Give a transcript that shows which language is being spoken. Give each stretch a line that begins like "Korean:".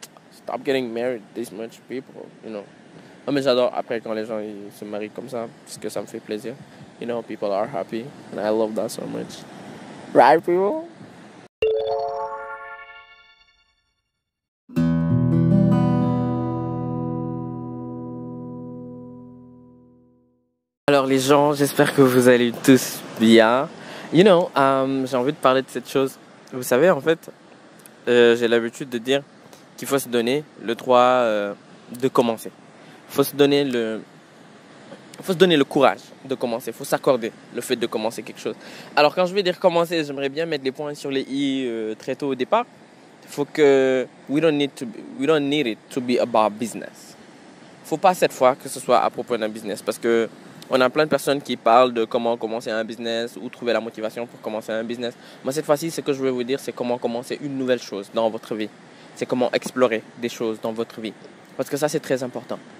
English: Stop getting married, this much people, you know.
French: Non, mais j'adore après quand les gens ils se marient comme ça, parce que ça me fait plaisir.
English: You know, people are happy, and I love that so much. Right, people?
French: Alors les gens, j'espère que vous allez tous bien.
English: You know,
French: j'ai envie de parler de cette chose. Vous savez, en fait, j'ai l'habitude de dire qu'il faut se donner le droit de commencer. Faut se donner le courage de commencer. Faut s'accorder le fait de commencer quelque chose. Alors quand je vais dire commencer, j'aimerais bien mettre les points sur les i très tôt au départ. Faut que
English: we don't need it to be about business.
French: Faut pas cette fois que ce soit à propos d'un business, parce que on a plein de personnes qui parlent de comment commencer un business ou trouver la motivation pour commencer un business. Moi cette fois-ci, ce que je vais vous dire, c'est comment commencer une nouvelle chose dans votre vie. C'est comment explorer des choses dans votre vie, parce que ça c'est très important.